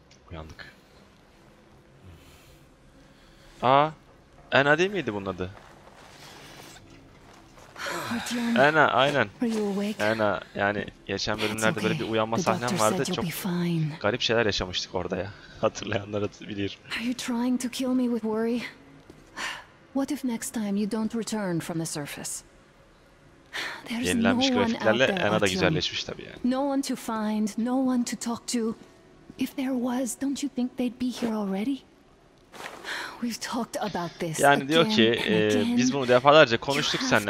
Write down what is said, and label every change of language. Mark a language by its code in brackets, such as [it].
[tr] Uyandık. Aa, Anna değil miydi bunun adı? Anna, aynen. Anna, yani geçen bölümlerde böyle bir uyanma sahnem vardı. Çok garip şeyler yaşamıştık orada ya. Hatırlayanlar bilir. [en] Are you trying to kill me with worry? What if next time you don't return from the surface? [tr] Yenilenmiş grafiklerle Anna da güzelleşmiş tabii yani. [en] No one to find, no one to talk to. If there was, don't you think they'd be here already? We've talked about this. [tr] Yani diyor ki, biz bunu defalarca konuştuk seninle.